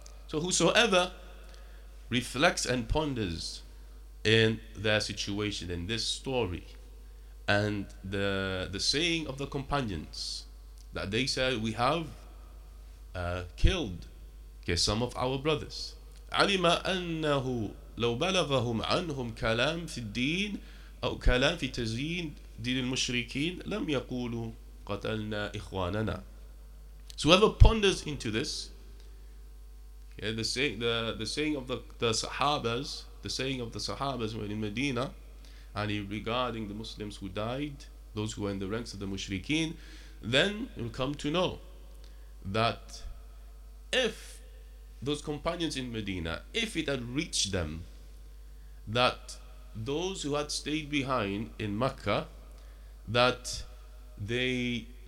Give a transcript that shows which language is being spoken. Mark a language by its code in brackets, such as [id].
[en] So whosoever reflects and ponders in their situation, in this story, and the saying of the companions, that they said, we have killed some of our brothers. [ar] عَلِمَ أَنَّهُ لو بلغهم عنهم كلام في الدين أو كلام في تزيين دين المشركين لم يقولوا قتلنا إخواننا. [en] So whoever ponders into this, okay, the saying of the Sahabas when in Medina, and regarding the Muslims who died, those who were in the ranks of the mushrikeen, then you'll come to know that if those companions in Medina, if it had reached them that those who had stayed behind in Mecca, that they